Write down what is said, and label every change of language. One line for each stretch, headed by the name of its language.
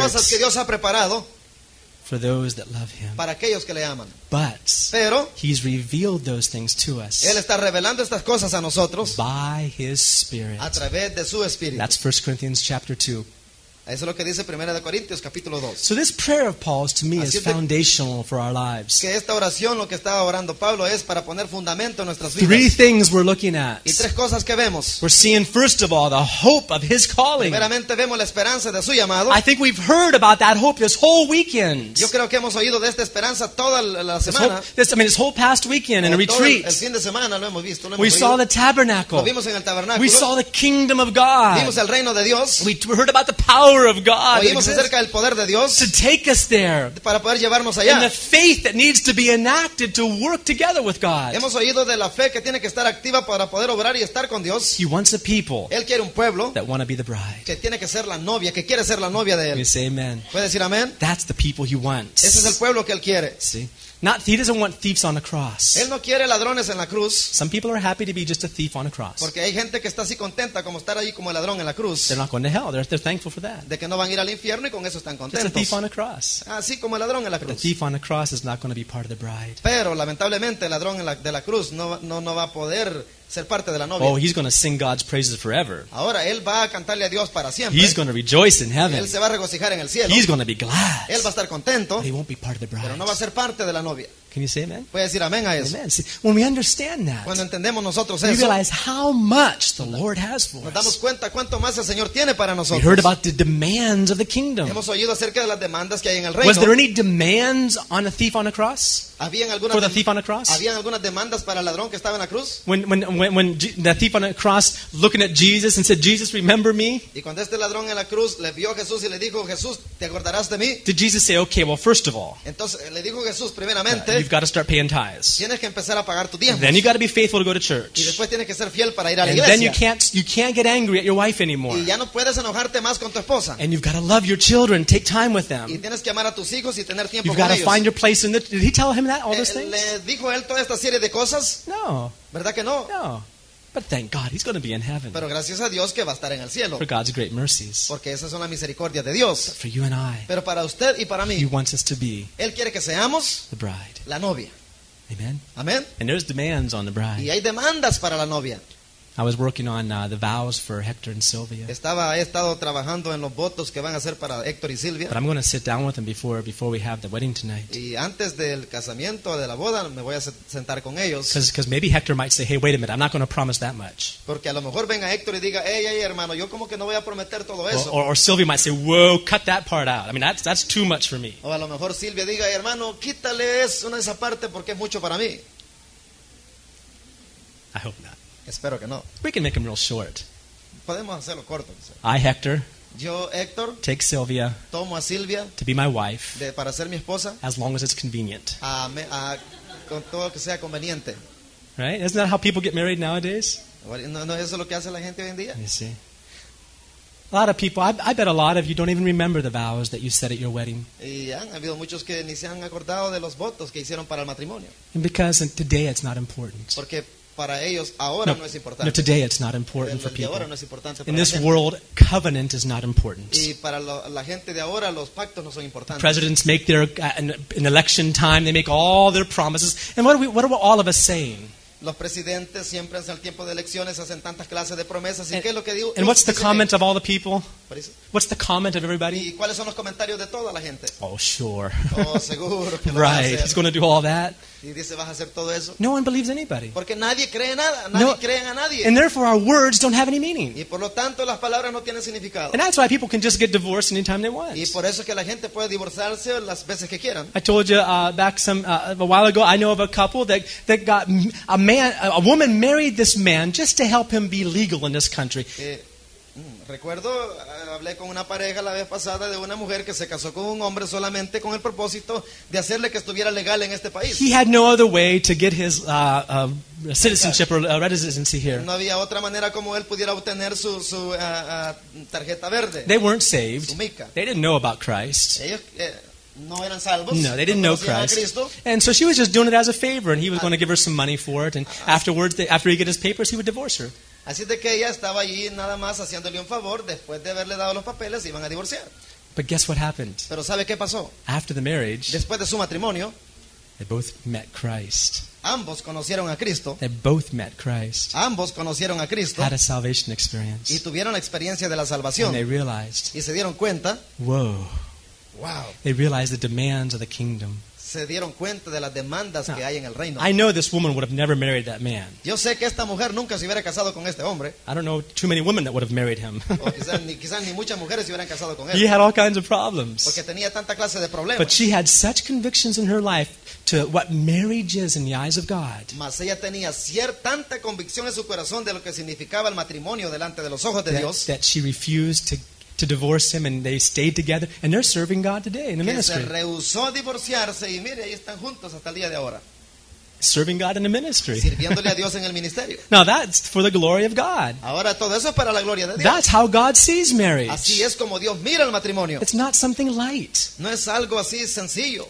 Spanish: Cosas que Dios ha preparado
English: for those that love him.
Spanish: Para aquellos que le aman.
English: But
Spanish: pero,
English: he's revealed those things to us.
Spanish: Él está revelando estas cosas a nosotros
English: by his spirit.
Spanish: A través de su espíritu.
English: That's 1 Corinthians chapter 2.
Spanish: Eso es lo que dice Primera de Corintios, capítulo 2.
English: So this prayer of Paul's to me is foundational for our lives.
Spanish: Que esta oración, lo que estaba orando Pablo, es para poner fundamento en nuestras vidas.
English: Three things we're looking at.
Spanish: Y tres cosas que vemos.
English: We're seeing, first of all, the hope of his calling.
Spanish: Primeramente vemos la esperanza de su llamado.
English: I think we've heard about that hope this whole weekend.
Spanish: Yo creo que hemos oído de esta esperanza toda la semana.
English: This whole past weekend in a retreat.
Spanish: El fin de semana lo hemos visto.
English: We saw the tabernacle.
Spanish: Lo vimos en el tabernáculo.
English: We saw the kingdom of God.
Spanish: Vimos el reino de Dios.
English: We heard about the power of God to take us there,
Spanish: para poder llevarnos allá.
English: And the faith that needs to be enacted to work together with God.
Spanish: Hemos oído de la fe que tiene que estar activa para poder obrar y estar con Dios.
English: He wants a people.
Spanish: Él quiere un pueblo
English: that want to be the bride.
Spanish: Que tiene que ser la novia, que quiere ser la novia de él.
English: You say amen.
Spanish: ¿Puede decir amén?
English: That's the people he wants.
Spanish: Ese es el pueblo que él quiere.
English: See? Not, he doesn't want thieves on the cross.
Spanish: Él no quiere ladrones en la cruz.
English: Some people are happy to be just a thief on a cross.
Spanish: Porque hay gente que está así contenta como estar ahí como el ladrón en la cruz.
English: They're not going to hell. They're thankful for that.
Spanish: De que no van a ir al infierno y con eso están contentos.
English: Just a thief on a cross.
Spanish: Así como el ladrón en la cruz.
English: But the thief on the cross is not going to be part of the bride.
Spanish: Pero lamentablemente el ladrón en la cruz no va a poder ser parte de la novia.
English: Oh, he's going to sing God's praises forever.
Spanish: Ahora, él va a cantarle a Dios para siempre.
English: He's going to rejoice in heaven.
Spanish: Él se va a regocijar en el cielo.
English: He's going to be glad.
Spanish: Él va a estar contento.
English: But he won't be part of the bride.
Spanish: Pero no va a ser parte de la novia.
English: Can you say amen?
Spanish: Puede decir amén a eso.
English: Amen. See, when we understand that,
Spanish: cuando entendemos nosotros
English: we
Spanish: eso,
English: realize how much the Lord has for
Spanish: nos damos cuenta cuánto más el Señor tiene para nosotros.
English: We heard about the demands of the kingdom.
Spanish: Hemos oído acerca de las demandas que hay en el reino.
English: Was there any demands on a thief on a cross?
Spanish: ¿Habían algunas
English: for the thief on a cross?
Spanish: ¿Habían algunas demandas para el ladrón que estaba en la cruz?
English: When the thief on a cross looking at Jesus and said, Jesus, remember me?
Spanish: Y cuando este ladrón en la cruz le vio a Jesús y le dijo, Jesús, ¿te acordarás de mí?
English: Did Jesus say, okay, well, first of all,
Spanish: entonces le dijo Jesús primeramente,
English: you've got to start paying tithes.
Spanish: Tienes que empezar a pagar tu diezmo.
English: Then you've got to be faithful to go to church.
Spanish: Y después tienes que ser fiel para ir a la iglesia.
English: And then you can't get angry at your wife anymore.
Spanish: Y ya no puedes enojarte más con tu esposa.
English: And you've got to love your children, take time with them.
Spanish: Y tienes que amar a tus hijos y tener tiempo con ellos.
English: You've got to find your place in the... Did he tell him that, all those things?
Spanish: ¿Le dijo él toda esta serie de cosas?
English: No.
Spanish: ¿Verdad que no?
English: No. But thank God, he's going to be in heaven.
Spanish: Pero gracias a Dios que va a estar en el cielo.
English: For God's great mercies.
Spanish: Porque esas son la misericordia de Dios.
English: But for you and I.
Spanish: Pero para usted y para mí.
English: He wants us to be.
Spanish: Él quiere que seamos.
English: The bride.
Spanish: La novia.
English: Amen.
Spanish: Amen.
English: And there's demands on the bride.
Spanish: Y hay demandas para la novia.
English: I was working on the vows for Hector and Sylvia.
Spanish: He estado trabajando en los votos que van a hacer para Héctor y Silvia.
English: But I'm going to sit down with them before we have the wedding tonight.
Spanish: Y antes del casamiento de la boda me voy a sentar con ellos.
English: Because maybe Hector might say, "Hey, wait a minute, I'm not going to promise that much."
Spanish: Porque a lo mejor venga Héctor y diga, "Hey, hermano, yo como que no voy a prometer todo eso."
English: Or Sylvia might say, "Whoa, cut that part out. I mean, that's too much for me."
Spanish: O a lo mejor Silvia diga, "Hey, hermano, quítale esa parte porque es mucho para mí."
English: I hope not.
Spanish: Espero que no.
English: We can make them real short.
Spanish: Podemos hacerlo corto.
English: I, Hector.
Spanish: Yo, Héctor.
English: Take Sylvia.
Spanish: Tomo a Silvia.
English: To be my wife.
Spanish: Para ser mi esposa.
English: As long as it's convenient.
Spanish: Con todo que sea conveniente.
English: Right? Isn't that how people get married nowadays?
Spanish: No, eso es lo que hace la gente hoy en día.
English: You see. A lot of people, I bet a lot of you don't even remember the vows that you said at your wedding. And because today it's not important.
Spanish: Porque para ellos, ahora no es importante.
English: No, today it's not important for people.
Spanish: Ahora no es importante
English: in this world, covenant is not important.
Spanish: Y para la gente de ahora, los pactos no son importantes.
English: Presidents make their in election time, they make all their promises. And what are all of us saying?
Spanish: Los presidentes siempre hacen el tiempo de elecciones, hacen tantas clases de promesas.
English: And
Spanish: ¿qué es lo que digo?
English: And what's the comment of all the people? What's the comment of everybody?
Spanish: ¿Y cuáles son los comentarios de toda la gente?
English: Oh, sure.
Spanish: Oh, seguro que
English: right, he's going to do all that.
Spanish: Y dice, ¿vas a hacer todo eso?
English: No one believes anybody.
Spanish: Porque nadie cree nada. Nadie cree a nadie.
English: And therefore our words don't have any meaning.
Spanish: Y por lo tanto, las palabras no tienen significado.
English: And that's why people can just get divorced anytime they want.
Spanish: Y por eso es que la gente puede divorciarse las veces que quieran.
English: I told you a while ago, I know of a couple that got a woman married this man just to help him be legal in this country.
Spanish: Recuerdo, hablé con una pareja la vez pasada de una mujer que se casó con un hombre solamente con el propósito de hacerle que estuviera legal en este país.
English: He had no other way to get his citizenship or residency here.
Spanish: No había otra manera como él pudiera obtener su tarjeta verde.
English: They weren't saved.
Spanish: Su mica.
English: They didn't know about Christ.
Spanish: No eran salvos.
English: No, they didn't know Christ. And so she was just doing it as a favor, and he was going to give her some money for it, and afterwards, after he get his papers, he would divorce her.
Spanish: Así de que ella estaba allí nada más haciéndole un favor, después de haberle dado los papeles, iban a divorciar.
English: But guess what happened?
Spanish: Pero ¿sabe qué pasó?
English: After the marriage,
Spanish: después de su matrimonio,
English: They both met Christ.
Spanish: Ambos conocieron a Cristo.
English: They both met Christ.
Spanish: Ambos conocieron a Cristo.
English: Had a salvation experience.
Spanish: Y tuvieron la experiencia de la salvación.
English: And they realized.
Spanish: Y se dieron cuenta.
English: Whoa. Wow. They realized the demands of the kingdom.
Spanish: Se dieron cuenta de las demandas que hay en el reino.
English: I know this woman would have never married that man.
Spanish: Yo sé que esta mujer nunca se hubiera casado con este hombre.
English: I don't know too many women that would have married him.
Spanish: quizás ni muchas mujeres se hubieran casado con él.
English: He had all kinds of problems.
Spanish: Porque tenía tanta clase de problemas.
English: But she had such convictions in her life to what marriage is in the eyes of God.
Spanish: Mas ella tenía tanta convicción en su corazón de lo que significaba el matrimonio delante de los ojos de Dios.
English: That she refused to divorce him, and they stayed together, and they're serving God today in the ministry.
Spanish: Se rehusó a divorciarse, y mire, ahí están juntos hasta el día de ahora.
English: Serving God in the ministry.
Spanish: Sirviéndole a Dios en el ministerio.
English: Now that's for the glory of God.
Spanish: Ahora, todo eso es para la gloria de Dios.
English: That's how God sees marriage.
Spanish: Así es como Dios mira el matrimonio.
English: It's not something light.
Spanish: No es algo así sencillo,